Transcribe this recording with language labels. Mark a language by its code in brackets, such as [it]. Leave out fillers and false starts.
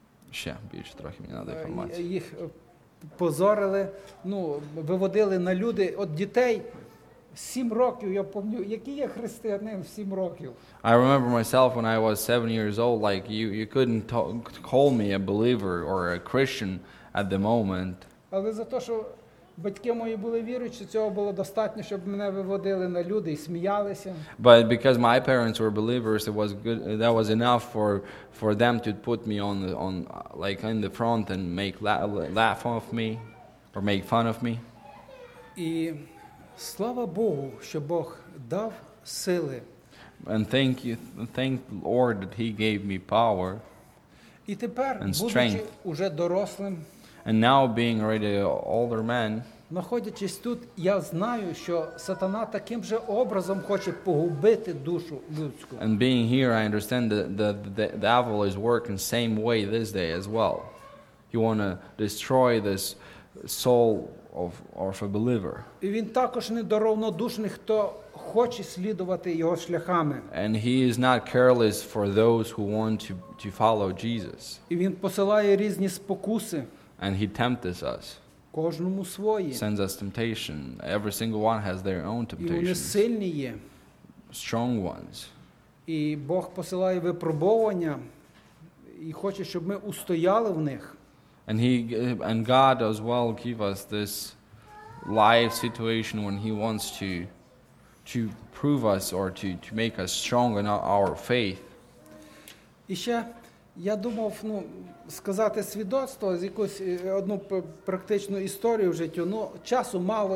[uk] Ще більше трохи мені треба інформації. Їх позорили, виводили на люди. От дітей 7 років, я пам'ятаю, який я християнин 7 років. [en] I remember myself when I was 7 years old, like you couldn't call me a believer or a Christian at the moment. [uk] Але за те, що батьки мої були віруючі, цього було достатньо, щоб мене виводили на люди і сміялися. [en] But because my parents were believers, it was good, that was enough for them to put me on like in the front and make laugh of me or make fun of me. [uk] І слава Богу, що Бог дав сили. [en] And thank the Lord that he gave me power. [uk] І тепер, будучи уже дорослим, [en] and now being already an older man, [uk] знаходячись тут, я знаю, що сатана таким же образом хоче погубити душу людську. [en] And being here, I understand that the devil is working the same way this day as well. He want to destroy this soul of a believer. [uk] І він також не до равнодушних, хто хоче слідувати його шляхами. [en] And he is not careless for those who want to follow Jesus. [uk] І він посилає різні спокуси. [en] And he tempts us. [uk] Кожному своє. [en] Sends us temptation. Every single one has their own temptations. [uk] І вони сильні є. [en] Strong ones. [uk] І Бог посилає випробування і хоче, щоб ми устояли в них. [en] And God as well give us this life situation when he wants to prove us or to make us strong in our faith. [uk] І ще я думав, сказати свідоцтво з якусь одну практичну історію в житті. Часу мало.